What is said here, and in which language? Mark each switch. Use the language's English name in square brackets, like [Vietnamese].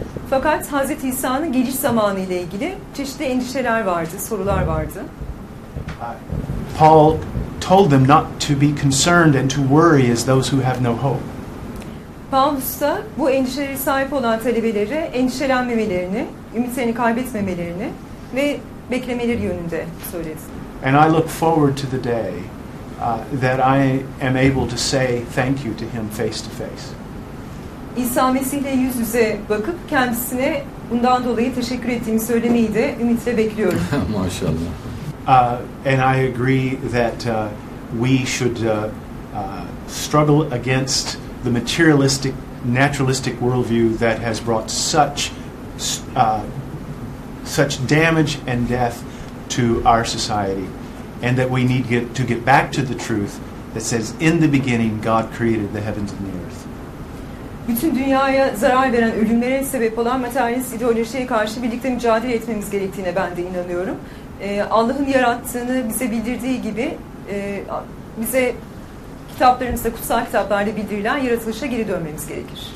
[Turkish] Fakat Hazreti İsa'nın geliş zamanı ile ilgili çeşitli endişeler vardı, sorular vardı. [English] Paul told them not to be concerned and to worry as those who have no hope. [Turkish] Paulus da bu endişelere sahip olan talebelere endişelenmemelerini, ümitlerini kaybetmemelerini ve beklemeleri yönünde söyledi. [English] And I look forward to the day that I am able to say thank you to him face to face. [Turkish] İsa Mesih'le yüz yüze bakıp kendisine bundan dolayı teşekkür ettiğimi söylemeyi de ümitle bekliyorum. Maşallah. [English] And I agree that we should struggle against the materialistic, naturalistic worldview that has brought such damage and death to our society. And that we need to get back to the truth that says, in the beginning, God created the heavens and the earth. [Turkish] Bütün dünyaya zarar veren ölümlere sebep olan materyalist ideolojiye karşı birlikte mücadele etmemiz gerektiğine ben de inanıyorum. Allah'ın yarattığını bize bildirdiği gibi bize kitaplarımızda, kutsal kitaplarda bildirilen yaratılışa geri dönmemiz gerekir.